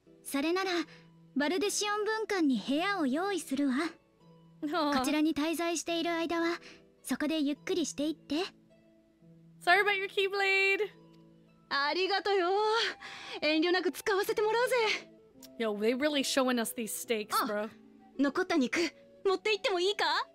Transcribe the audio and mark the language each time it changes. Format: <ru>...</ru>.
<ja>それなら、バルデシオン文館に部屋を用意するわ。こちらに滞在している間は、そこでゆっくりしていって。</ja> <en>Sorry about your keyblade!</en> <ja>ありがとうよ。遠慮なく使わせてもらうぜ。</ja> <en>Yo, they're really showing us these steaks, bro.</en> <ja>残った肉、持って行ってもいいか？</ja>